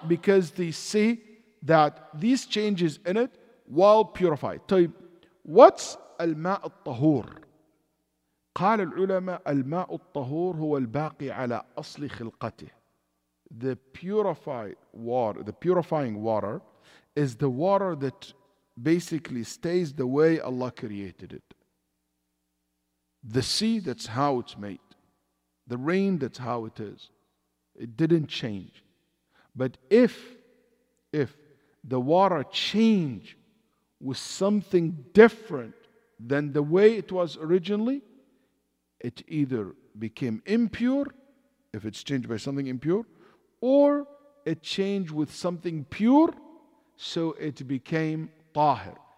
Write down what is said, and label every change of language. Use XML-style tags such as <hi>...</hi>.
<en>Because they see that these changes in it, while purified.</en> <ar>طيب,</ar> <en>what's</en> <ar>الماء الطهور? قال العلماء الماء الطهور هو الباقي على أصل خلقته.</ar> <en>The purified water, the purifying water, is the water that basically stays the way Allah created it. The sea, that's how it's made. The rain, that's how it is. It didn't change. But if the water changed with something different than the way it was originally, it either became impure, if it's changed by something impure, or it changed with something pure, so it became tahir.</en>